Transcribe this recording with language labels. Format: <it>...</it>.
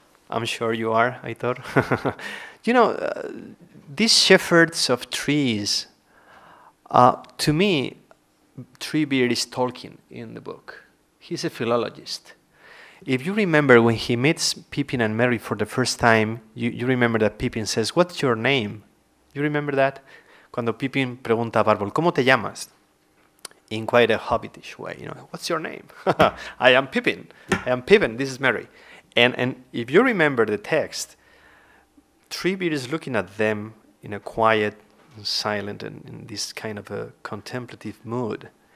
<en>I'm sure you are, Aitor. You know, these shepherds of trees, to me, Treebeard is Tolkien in the book. He's a philologist. If you remember when he meets Pippin and Merry for the first time, you remember that Pippin says, "What's your name?" You remember that?</en> <es>Cuando Pippin pregunta a Barbol, "¿Cómo te llamas?"</es> <en>In quite a hobbitish way, you know, "What's your name?" I am Pippin, this is Merry. And if you remember the text, Treebeard is looking at them in a quiet, silent, and in this kind of a contemplative mood.</en>